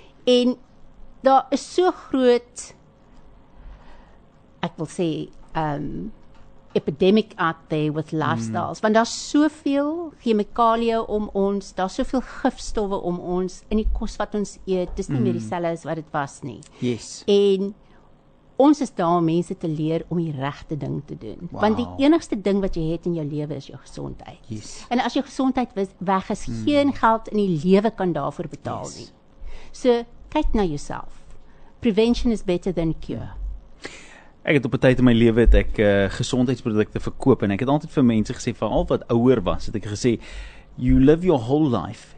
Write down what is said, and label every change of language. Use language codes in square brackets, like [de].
[af] En daar is so groot, ek wil sê, [en] epidemic out there with lifestyles, [af] want daar is soveel chemikalieë om ons, daar is soveel gifstowwe om ons, in die kos wat ons eet, dis nie meer dieselfde as wat het was nie. [en] Yes. [af] En ons is daar om mense te leer om die regte ding te doen. [en] Wow. [af] Want die enigste ding wat jy het in jou lewe is jou gesondheid. [en] Yes. [af] En as jou gesondheid weg is, geen geld in die lewe kan daarvoor betaal nie. So, kyk na jouself. [en] Prevention is better than cure. [af] Ek het op 'n tyd in my lewe het ek gesondheidsprodukte verkoop en ek het altyd vir mense gesê, veral wat ouer was, het ek gesê, [en] you live your whole life.